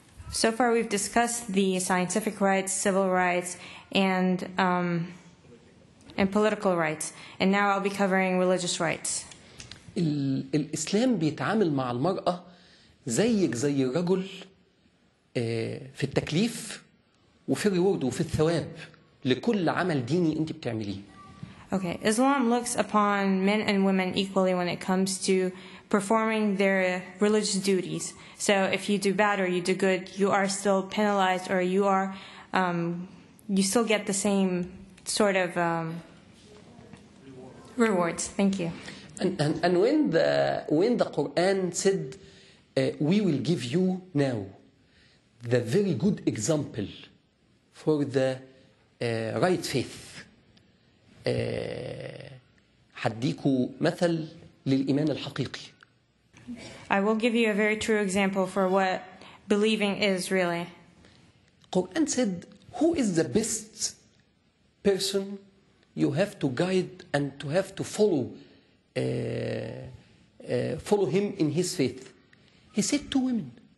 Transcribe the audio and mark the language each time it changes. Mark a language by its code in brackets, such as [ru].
[en] So far we've discussed the scientific rights, civil rights, and political rights. And now I'll be covering religious rights. [ar] الإسلام بيتعامل مع المرأة زيك زي الرجل في التكليف وفي الريورد وفي الثواب لكل عمل ديني انت بتعمليه. [en] Okay, Islam looks upon men and women equally when it comes to performing their religious duties. So if you do bad or you do good, you are still penalized or you are you still get the same sort of rewards. Thank you. And when the Quran said we will give you now the very good example for the right faith. [ar] حديكوا مثل للإيمان الحقيقي. [en] I will give you a very true example for what believing is really. Quran said, who is the best person you have to guide and to have to follow follow him in his faith? He said two women.